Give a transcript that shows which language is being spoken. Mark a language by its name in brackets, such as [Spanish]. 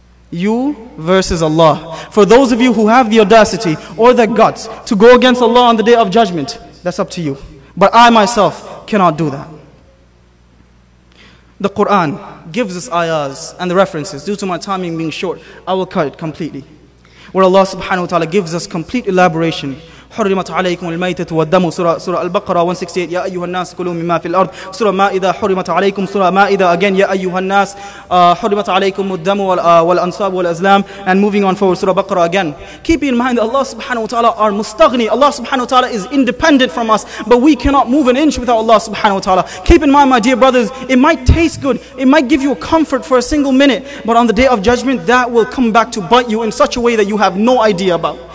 [English] You versus Allah. For those of you who have the audacity or the guts to go against Allah on the day of judgment, that's up to you. But I myself cannot do that. The Quran gives us ayahs and the references. Due to my timing being short, I will cut it completely. Where Allah subhanahu wa ta'ala gives us complete elaboration. [Arabic] حرمت عليكم الميتة والدم سورة البقرة 168 يا أيها الناس كلوا مما في الأرض سورة مائدة حرمت عليكم سورة مائدة [English] again [Arabic] يا أيها الناس حرمت عليكم الدم والأنصاب والأزلام. [English] And moving on forward, [Arabic] سورة بقرة [English] again. Keep in mind that Allah subhanahu wa ta'ala are mustaghni. Allah subhanahu wa ta'ala is independent from us, but we cannot move an inch without Allah subhanahu wa ta'ala. Keep in mind, my dear brothers, it might taste good, it might give you a comfort for a single minute, but on the day of judgment that will come back to bite you in such a way that you have no idea about.